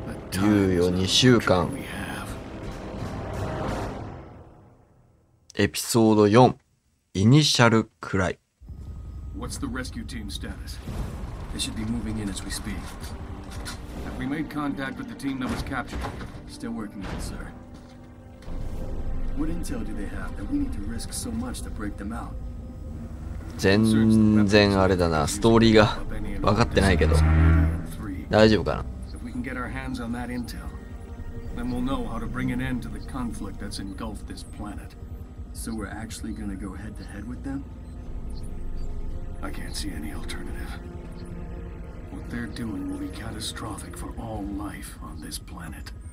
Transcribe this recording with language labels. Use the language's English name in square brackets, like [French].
[Japanese] 猶予2週間。エピソード4、イニシャルクライ。 [English] What's the rescue team status? They should be moving in as we speak. Have we made contact with the team that was captured? Still working on it, sir. What intel do they have that we need to risk so much to break them out? [Japanese] 全然あれだな、ストーリーが分かってないけど。大丈夫かな？ [English] Get our hands on that intel, then we'll know how to bring an end to the conflict that's engulfed this planet. So we're actually gonna go head to head with them? I can't see any alternative. What they're doing will be catastrophic for all life on this planet.